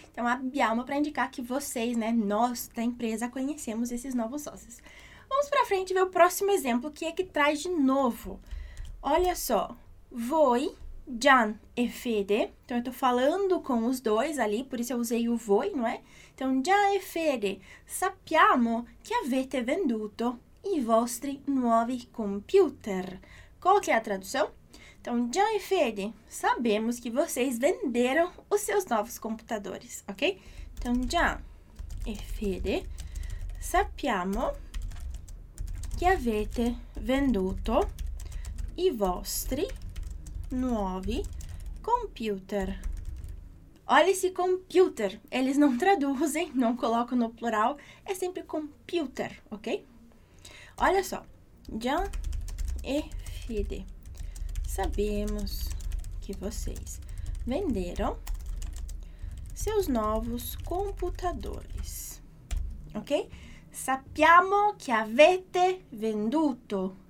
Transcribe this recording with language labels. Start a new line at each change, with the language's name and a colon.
Portuguese: Então, abbiamo para indicar que vocês, né, nós da empresa, conhecemos esses novos sócios. Vamos para frente ver o próximo exemplo, que é que traz de novo. Olha só, voi... Gian e Fede, então eu estou falando com os dois ali, por isso eu usei o voi, não é? Então,
Italian: Gian e Fede, sappiamo che avete venduto i vostri nuovi computer.
Portuguese: Qual que é a tradução? Então, Gian e Fede, sabemos que vocês venderam os seus novos computadores, ok? Então,
Italian: Gian e Fede, sappiamo che avete venduto i vostri nuovi computer.
Portuguese: Olha esse computer. Eles não traduzem, não colocam no plural. É sempre computer, ok? Olha só. Gian e Fede. Sabemos que vocês venderam seus novos computadores, ok?
Italian: Sappiamo che avete venduto.